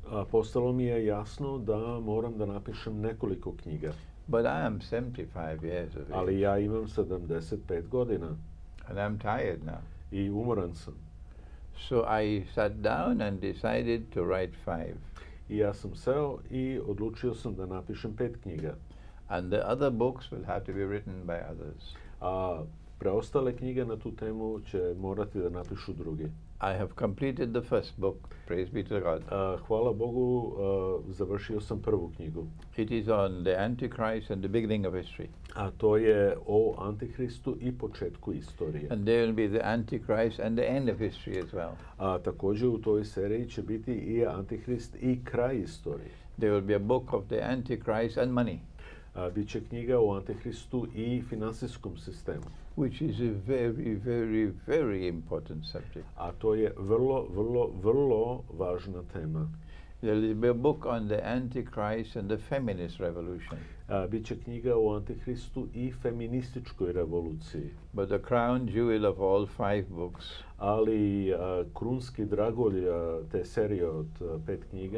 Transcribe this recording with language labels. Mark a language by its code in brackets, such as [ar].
[sr] Postalo mi je jasno da moram da napišem nekoliko knjiga. [en] But I am 75 years of age. [sr] Ali ja imam 75 godina. [en] And I'm tired now. [sr] I umoran sam. [en] So I sat down and decided to write 5. [sr] I ja sam seo i odlučio sam da napišem 5 knjiga. [en] And the other books will have to be written by others. [sr] A preostale knjige na tu temu će morati da napišu drugi. [en] I have completed the first book, praise be to God. [sr] Hvala Bogu, završio sam prvu knjigu. [en] It is on the Antichrist and the beginning of history. [sr] A to je o Antihristu i početku istorije. [en] And there will be the Antichrist and the end of history as well. [sr] A također u toj seriji će biti i Antihrist i kraj istorije. [en] There will be a book of the Antichrist and money. [sr] Biće knjiga o Antihristu i finansijskom sistemu. [en] Which is a very, very, very important subject. [sr] A to je vrlo, vrlo, vrlo važna tema. [en] There will be a book on the Antichrist and the feminist revolution. [sr] Biće knjiga o Antihristu i feminističkoj revoluciji. [en] But the crown jewel of all 5 books. [sr] Ali krunski dragulj te serije od 5 knjiga.